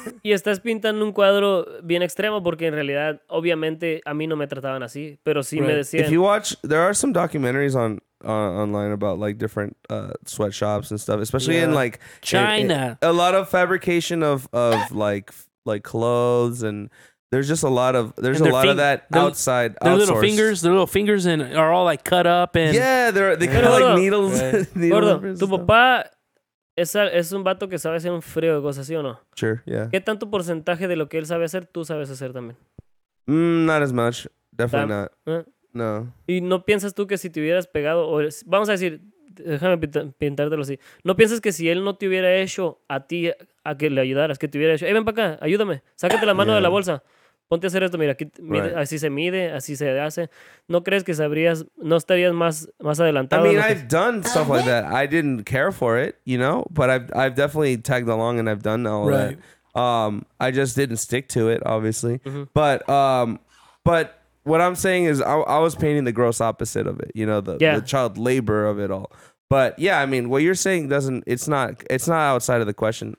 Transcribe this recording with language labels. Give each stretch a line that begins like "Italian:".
Spanish: Y estás pintando un cuadro bien extremo porque en realidad, obviamente, a mí no me trataban así, pero sí
English: right.
Spanish: me decían...
English: If you watch, there are some documentaries online about like different sweatshops and stuff, especially yeah. in like... China. A lot of fabrication of like clothes and... There's just a lot of of that outside. Their little fingers, and are all like cut up and yeah, they kind of like needles.
Spanish: Gordo, tu papá es un vato que sabe hacer un frío de cosas, ¿sí o no?
English: Sure, yeah.
Spanish: ¿Qué tanto porcentaje de lo que él sabe hacer tú sabes hacer también?
English: Not as much, definitely not. No.
Spanish: ¿Y no piensas tú que si te hubieras pegado o vamos a decir, déjame pintártelo así, no piensas que si él no te hubiera hecho a ti a que le ayudaras, que te hubiera dicho,
English: hey,
Spanish: ven para acá, ayúdame, sácate la mano
English: yeah.
Spanish: de la bolsa, ponte a hacer esto, mira, aquí, mide,
English: right.
Spanish: así se mide, así se hace, ¿no crees que sabrías, no estarías más adelantado?
English: I mean, I've done stuff like that. I didn't care for it, you know, but I've definitely tagged along and I've done all right. that. I just didn't stick to it, obviously. Mm-hmm. But what I'm saying is I was painting the gross opposite of it, you know, yeah. the child labor of it all. But yeah, I mean, what you're saying it's not outside of the question.